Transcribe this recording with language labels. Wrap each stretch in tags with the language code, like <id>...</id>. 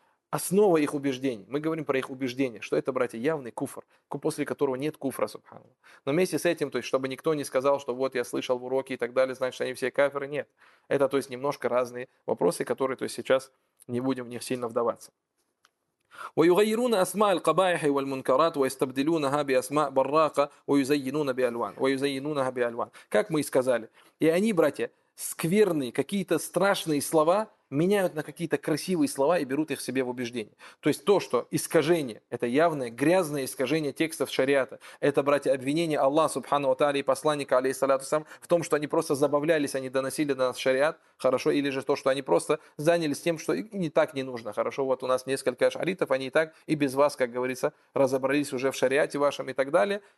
<ru>Основа их убеждений. Мы говорим про их убеждения, что это, братья, явный куфр, после которого нет куфра, субханаллах. Но вместе с этим, то есть, чтобы никто не сказал, что вот я слышал в уроке и так далее, значит, они все кафиры. Нет. Это, то есть, немножко разные вопросы, которые, то есть, сейчас не будем в них сильно вдаваться.</ru> <ar>ويغيرون أسماء القبائح والمنكرات ويستبدلونها بأسماء براقة ويزينون بألوان ويزينونها بألوان.</ar> <ru>Как мы и сказали, и они, братья, скверные, какие-то страшные слова меняют на какие-то красивые слова и берут их себе в убеждение. То есть то, что искажение, это явное, грязное искажение текстов шариата, это, братья, обвинение Аллаха Субхану ва Тааля и посланника, алейхиссаляту ва салям, в том, что они просто забавлялись, они доносили до нас шариат, хорошо, или же то, что они просто занялись тем, что не так не нужно, хорошо, вот у нас несколько ашаритов, они и так, и без вас, как говорится, разобрались уже в шариате вашем и так далее.</ru>